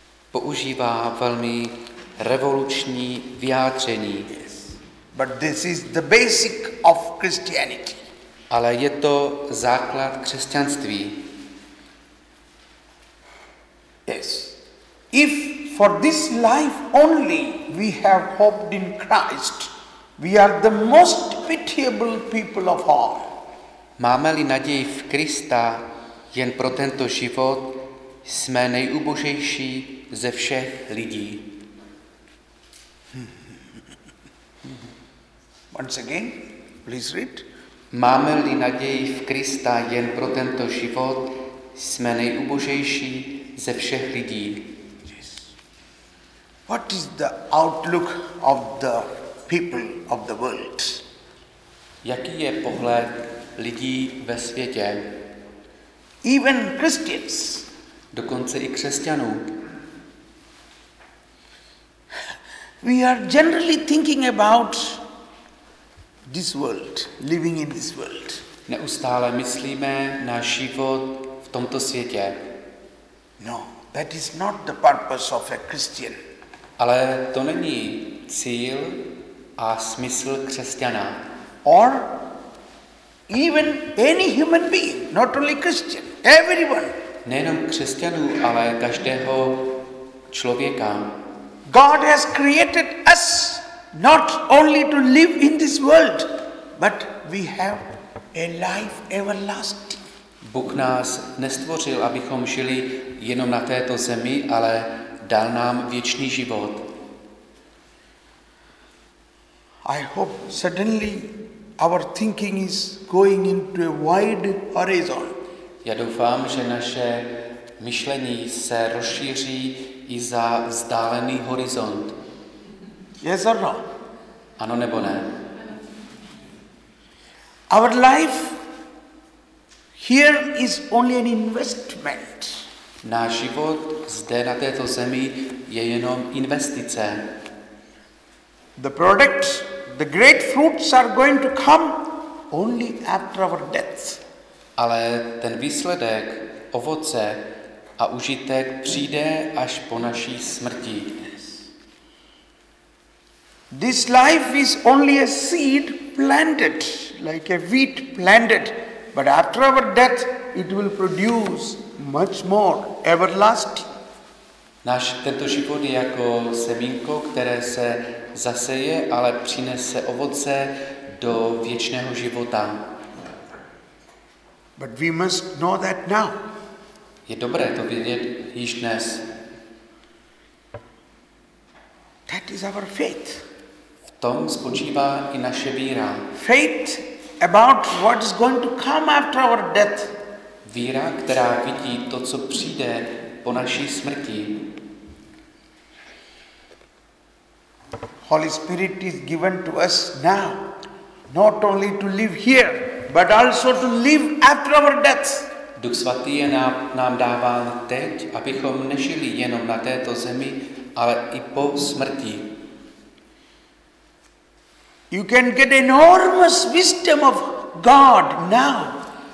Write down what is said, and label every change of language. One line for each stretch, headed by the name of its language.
Czech: Používá velmi revoluční vyjádření.
English: Yes. But this is the basic of Christianity.
Czech: Ale je to základ křesťanství.
English: Yes. If for this life only we have hoped in Christ, we are the most pitiable people of all.
Czech: Máme-li naději v Krista jen pro tento život, jsme nejubožejší ze všech lidí.
English: Once again, please read.
Czech: Máme-li naději v Krista jen pro tento život, jsme nejubožejší ze všech lidí.
English: Yes. What is the outlook of the people of the world?
Czech: Jaký je pohled lidí ve světě?
English: Even Christians.
Czech: Dokonce i křesťanů.
English: We are generally thinking about this world, living in this world.
Czech: Neustále myslíme na život v tomto světě.
English: No, that is not the purpose of a Christian.
Czech: Ale to není cíl a smysl křesťana.
English: Or Even any human being, not only Christian, everyone.
Czech: Nejenom křesťanů, ale každého člověka.
English: God has created us not only to live in this world, but we have a life everlasting.
Czech: Bůh nás nestvořil, abychom žili jenom na této zemi, ale dal nám věčný život.
English: I hope suddenly our thinking is going into a wide horizon.
Czech: Já doufám, že naše myšlení se rozšíří i za vzdálený horizont.
English: Yes or no?
Czech: Ano nebo ne?
English: Our life here is only an investment.
Czech: Náš život zde na této zemi je jenom investice.
English: The product, the great fruits are going to come only after our death.
Czech: Ale ten výsledek, ovoce a užitek přijde až po naší smrti.
English: This life is only a seed planted, like a wheat planted, but after our death it will produce much more everlasting.
Czech: Náš tento život je jako semínko, které se zaseje, ale přinese ovoce do věčného života.
English: But we must know that now.
Czech: Je dobré to vědět již dnes.
English: That is our faith.
Czech: V tom spočívá i naše víra.
English: Faith about what is going to come after our death.
Czech: Víra, která vidí to, co přijde po naší smrti.
English: Holy Spirit is given to us now, not only to live here, but also to live after our death.
Czech: Duch svatý je nám dáván teď, abychom nežili jenom na této zemi, ale i po smrti.
English: You can get enormous wisdom of God now.